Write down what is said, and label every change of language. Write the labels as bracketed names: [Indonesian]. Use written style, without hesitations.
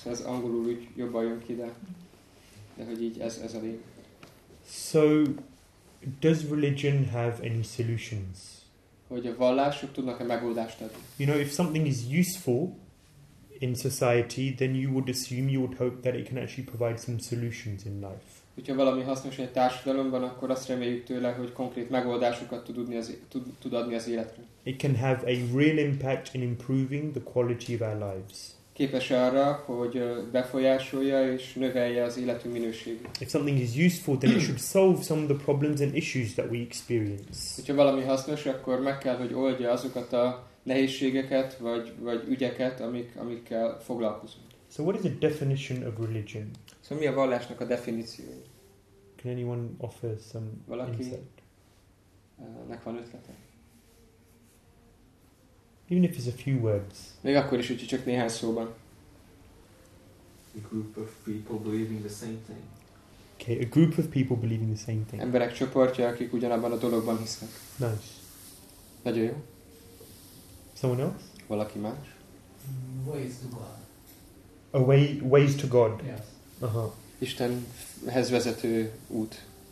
[Hungarian] Szóval ez angolul úgy jobban jön ki, de hogy így ez a lényeg. [English] So, does religion have any solutions? [Hungarian] Hogy a vallások tudnak-e megoldást adni? [English] You know, if something is useful in society, then you would assume, you would hope that it can actually provide some solutions in life. [Hungarian] Hogyha valami hasznos egy társadalomban, akkor azt reméljük tőle, hogy konkrét megoldásokat tud adni az életre. [English] It can have a real impact in improving the quality of our lives. [Hungarian] Képes arra, hogy befolyásolja és növelje az életünk minőségét. [English] If something is useful, then it should solve some of the problems and issues that we experience. [Hungarian] Hogyha valami hasznos, akkor meg kell, hogy oldja azokat a nehézségeket vagy ügyeket, amikkel foglalkozunk. [English] So what is the definition of religion? [Hungarian] Szóval mi a vallásnak a definíciója? [English] Can anyone offer some [Hungarian] valaki [English] insight? [Hungarian] Nek van ötlete? [English] Even if it's a few words. [Hungarian] Még akkor is, hogy csak néhány szóban. [English] A group of people believing the same thing. Okay, a group of people believing the same thing. [Hungarian] Emberek csoportja, akik ugyanabban a dologban hisznek. [English] Nice. [Hungarian] Nagyon jó. [English] Someone else? [Hungarian] Valaki más? [English] Ways to God. A way, ways to God. Yes. Uh-huh. [Hungarian] Istenhez vezető út.